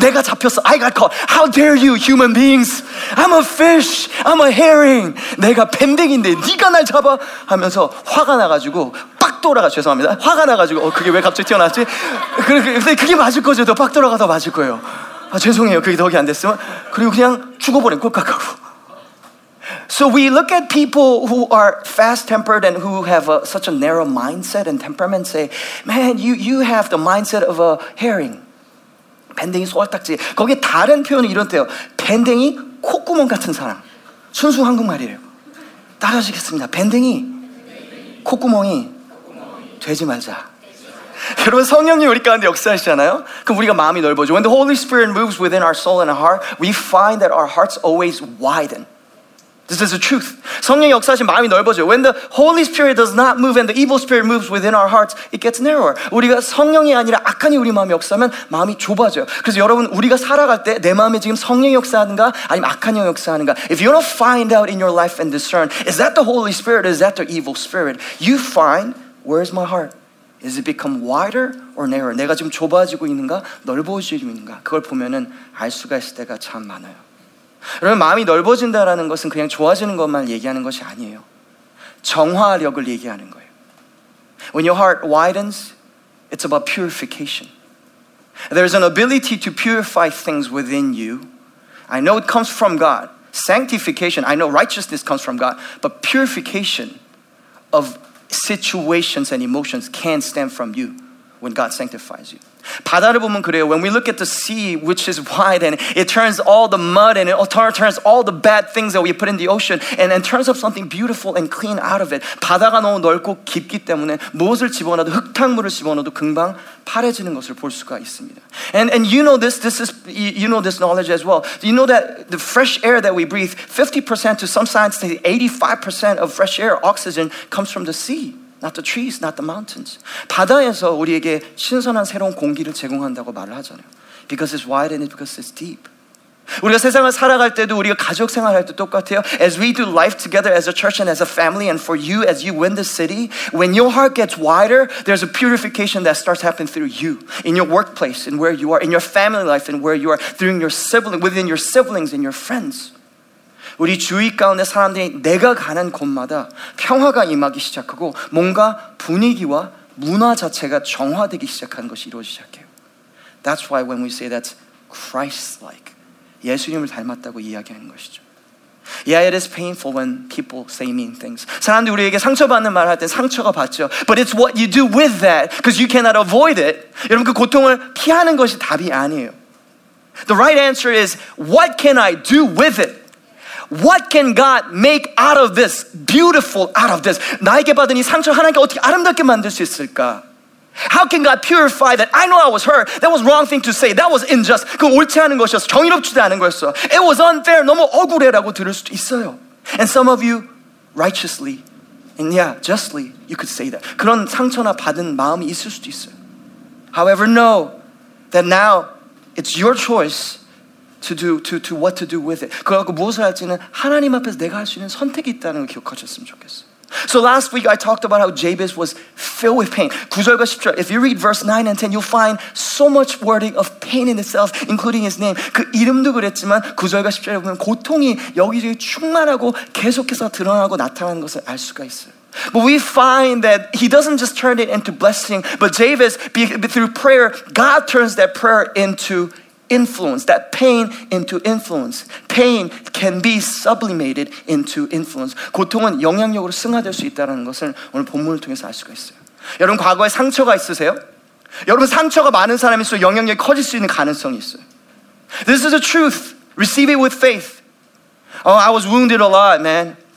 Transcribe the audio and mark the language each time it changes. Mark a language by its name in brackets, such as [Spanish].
[Korean] 내가 잡혔어. [English] I got caught. How dare you, human beings? I'm a fish. I'm a herring. [Korean] 내가 밴댕인데, 네가 날 잡아? 하면서 화가 나가지고, 빡 돌아가. 죄송합니다. 화가 나가지고, 그게 왜 갑자기 튀어나왔지? 그게 맞을 거죠. 더 빡 돌아가서 맞을 거예요. 아, 죄송해요. 그게 덕이 안 됐으면. 그리고 그냥 죽어버린, 꼴깍하고. [English] So we look at people who are fast-tempered and who have such a narrow mindset and temperament say, man, you have the mindset of a herring. [Korean] 밴댕이 소갈딱지. 거기에 다른 표현이 이런데요. 밴댕이 콧구멍 같은 사람. 순수 한국말이래요. 따라하시겠습니다. 밴댕이 콧구멍이 되지 말자. 여러분 성령님 우리 가운데 역사하시잖아요. 그럼 우리가 마음이 넓어져. [English] When the Holy Spirit moves within our soul and our heart, we find that our hearts always widen. This is the truth. [Korean] 성령이 역사하신 마음이 넓어져요. [English] When the Holy Spirit does not move and the evil spirit moves within our hearts, it gets narrower. [Korean] 우리가 성령이 아니라 악한이 우리 마음에 역사하면 마음이 좁아져요. 그래서 여러분 우리가 살아갈 때 내 마음에 지금 성령이 역사하는가 아니면 악한이 역사하는가. [English] If you don't find out in your life and discern, is that the Holy Spirit or is that the evil spirit? You find, where is my heart? Is it become wider or narrower? [Korean] 내가 지금 좁아지고 있는가 넓어지고 있는가. 그걸 보면은 알 수가 있을 때가 참 많아요. 여러분 마음이 넓어진다라는 것은 그냥 좋아지는 것만 얘기하는 것이 아니에요. 정화력을 얘기하는 거예요. [English] When your heart widens, it's about purification. There's an ability to purify things within you. I know it comes from God. Sanctification, I know righteousness comes from God. But purification of situations and emotions can stem from you when God sanctifies you. [Korean] 바다를 보면 그래요. [English] When we look at the sea, which is wide, and it turns all the mud, and it turns all the bad things that we put in the ocean, and turns up something beautiful and clean out of it. [Korean] 바다가 너무 넓고 깊기 때문에 무엇을 집어넣어도 흙탕물을 집어넣어도 금방 파래지는 것을 볼 수가 있습니다. [English] And you know this. This is you know this knowledge as well. You know that the fresh air that we breathe, 50% to some scientists say 85% of fresh air, oxygen, comes from the sea. Not the trees, not the mountains. [Korean] 바다에서 우리에게 신선한 새로운 공기를 제공한다고 말을 하잖아요. [English] Because it's wide and because it's deep. [Korean] 우리가 세상을 살아갈 때도 우리가 가족 생활할 때 똑같아요. [English] As we do life together as a church and as a family and for you as you win the city, when your heart gets wider, there's a purification that starts happening through you. In your workplace, in where you are, in your family life, in where you are, through your sibling, within your siblings and your friends. [Korean] 우리 주위 가운데 사람들이 내가 가는 곳마다 평화가 임하기 시작하고 뭔가 분위기와 문화 자체가 정화되기 시작하는 것이 이루어지기 시작해요. [English] That's why when we say that's Christ-like, [Korean] 예수님을 닮았다고 이야기하는 것이죠. [English] Yeah, it is painful when people say mean things. [Korean] 사람들이 우리에게 상처받는 말을 할 때 상처가 받죠. [English] But it's what you do with that, because you cannot avoid it. [Korean] 여러분, 그 고통을 피하는 것이 답이 아니에요. [English] The right answer is, what can I do with it? What can God make out of this? Beautiful out of this. [Korean] 나에게 받은 이 상처 하나님께 어떻게 아름답게 만들 수 있을까? [English] How can God purify that? I know I was hurt. That was wrong thing to say. That was unjust. [Korean] 그건 옳지 않은 것이었어. 정의롭지도 않은 거였어. [English] It was unfair. [Korean] 너무 억울해라고 들을 수도 있어요. [English] And some of you, righteously, and yeah, justly, you could say that. [Korean] 그런 상처나 받은 마음이 있을 수도 있어요. [English] However, know that now it's your choice to what to do with it. [Korean] 그래서 무엇을 할지는 하나님 앞에서 내가 할 수 있는 선택이 있다는 걸 기억하셨으면 좋겠어요. [English] So last week I talked about how Jabez was filled with pain. [Korean] 9절과 10절, [English] if you read verse 9 and 10, you'll find so much wording of pain in itself, including his name. [Korean] 그 이름도 그랬지만 9절과 10절에 보면 고통이 여기저기 충만하고 계속해서 드러나고 나타나는 것을 알 수가 있어요. [English] But we find that he doesn't just turn it into blessing, but Jabez, through prayer, God turns that prayer into influence, that pain into influence. Pain can be sublimated into influence. [Korean] 고통은 영향력으로 승화될 수 있다는 것을 오늘 본문을 통해서 알 수가 있어요. 여러분 과거에 상처가 있으세요? 여러분 상처가 많은 사람일수록 영향력이 커질 수 있는 가능성이 있어요. [English] This is the truth. Receive it with faith. Oh, I was wounded a lot, man.